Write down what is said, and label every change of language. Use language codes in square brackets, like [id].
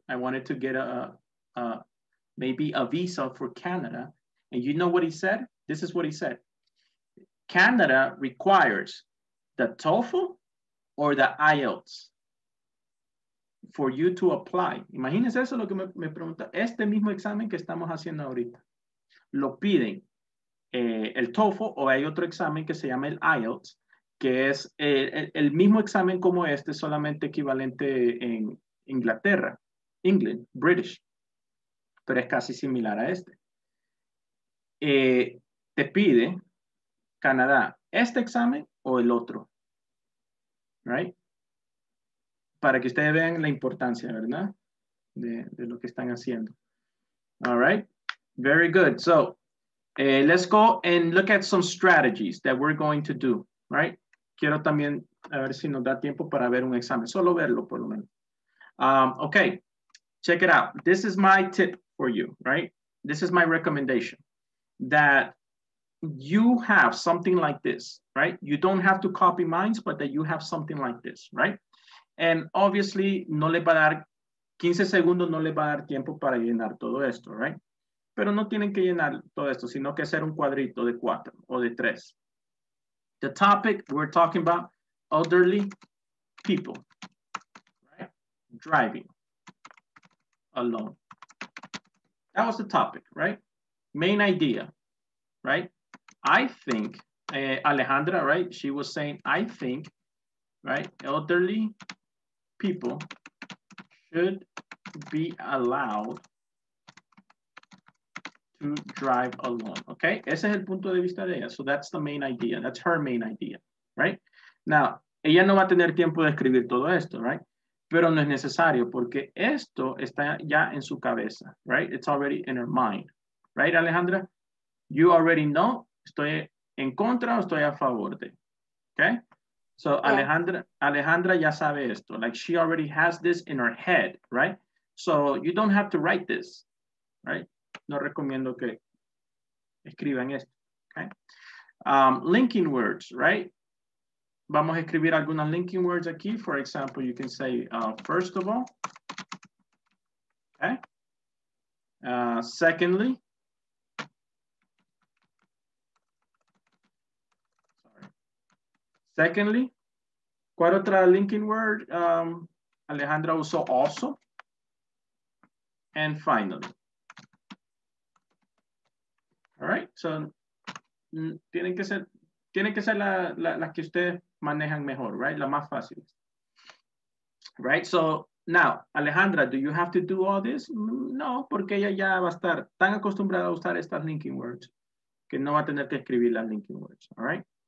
[en] I wanted to get a visa for Canada. And you know what he said? This is what he said. Canada requires the TOEFL or the IELTS for you to apply. [es] Imagínense eso lo que me pregunta. Este mismo examen que estamos haciendo ahorita. Lo piden el TOEFL o hay otro examen que se llama el IELTS, que es el mismo examen como este, solamente equivalente en Inglaterra, England, British. Pero es casi similar a este. Te pide... Canadá, este examen o el otro, right? Para que ustedes vean la importancia, ¿verdad? De lo que están haciendo. [en] All right, very good. So, let's go and look at some strategies that we're going to do, right? [es] Quiero también a ver si nos da tiempo para ver un examen, solo verlo por lo menos. [en] Okay, check it out. This is my tip for you, right? This is my recommendation that you have something like this, right? You don't have to copy mine, but that you have something like this, right? And obviously, [es] no le va a dar 15 segundos, no le va a dar tiempo para llenar todo esto, right? Pero no tienen que llenar todo esto, sino que hacer un cuadrito de cuatro o de tres. [en] The topic we're talking about, elderly people, right? Driving alone. That was the topic, right? Main idea, right? I think, Alejandra, right? She was saying, I think, right? Elderly people should be allowed to drive alone, okay? [es] Ese es el punto de vista de ella. [en] So that's the main idea. That's her main idea, right? [es] Now, ella no va a tener tiempo de escribir todo esto, right? Pero no es necesario porque esto está ya en su cabeza, right? [en] It's already in her mind, right, Alejandra? You already know. [es] ¿Estoy en contra o estoy a favor de? [en] Okay? So yeah. [es] Alejandra ya sabe esto. [en] Like she already has this in her head, right? So you don't have to write this, right? [es] No recomiendo que escriban esto, okay? Linking words, right? Vamos a escribir algunas linking words aquí. [en] For example, you can say, first of all, okay? Secondly, secondly, [es] ¿cuál otra linking word Alejandra usó [en] also? And finally. [es] All right, so tienen que ser las que ustedes manejan mejor, right? Las más fáciles. [en] Right, so now, Alejandra, do you have to do all this? [es] No, porque ella ya va a estar tan acostumbrada a usar estas linking words que no va a tener que escribir las linking words, all right?